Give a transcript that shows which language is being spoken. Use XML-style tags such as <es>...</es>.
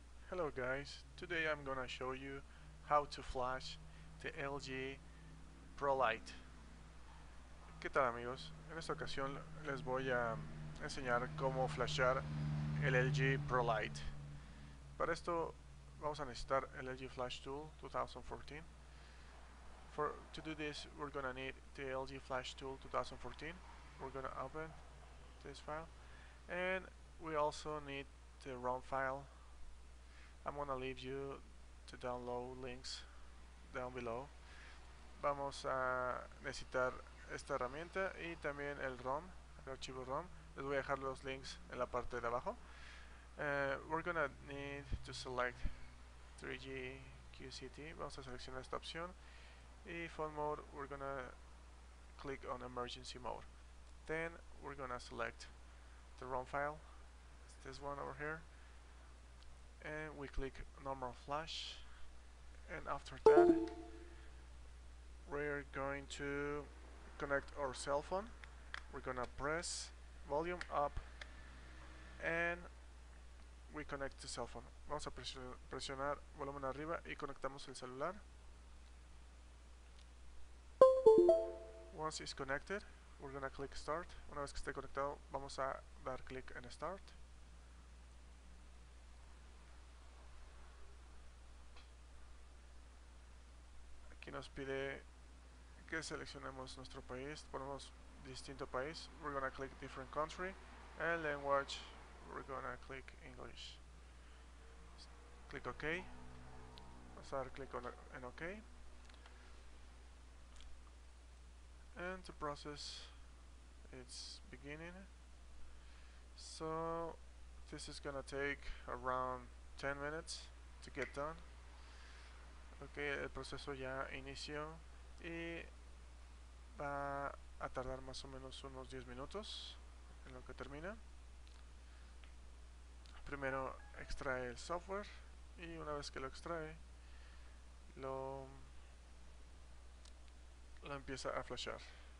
<en>Hello guys, today I'm gonna show you how to flash the LG Pro Lite.</en> <es>¿Qué tal amigos? En esta ocasión les voy a enseñar cómo flashear el LG Pro Lite. Para esto vamos a necesitar el LG Flash Tool 2014.</es> <en>To do this we're gonna need the LG Flash Tool 2014. We're gonna open this file and we also need the ROM file. I'm gonna leave you to download links down below.</en> <es>Vamos a necesitar esta herramienta y también el ROM, el archivo ROM. Les voy a dejar los links en la parte de abajo.</es> <en>We're gonna need to select 3G QCT.</en> <es>Vamos a seleccionar esta opción y phone mode.</es> <en>We're gonna click on emergency mode. Then we're gonna select the ROM file. It's this one over here. And we click normal flash, and after that we're going to connect our cell phone. We're gonna press volume up and we connect the cell phone.</en> <es>Vamos a presionar volumen arriba y conectamos el celular.</es> <en>Once it's connected we're gonna click start.</en> <es>Una vez que esté conectado vamos a dar click en start. Nos pide que seleccionemos nuestro país, ponemos distinto país.</es> <en>We're gonna click different country and language. We're gonna click English. Click OK.</en> <es>Vamos a dar click en OK.</es> <en>And the process is beginning. So this is gonna take around 10 minutes to get done.</en> <es>Ok, el proceso ya inició y va a tardar más o menos unos 10 minutos en lo que termina. Primero extrae el software y una vez que lo extrae lo empieza a flashear.</es>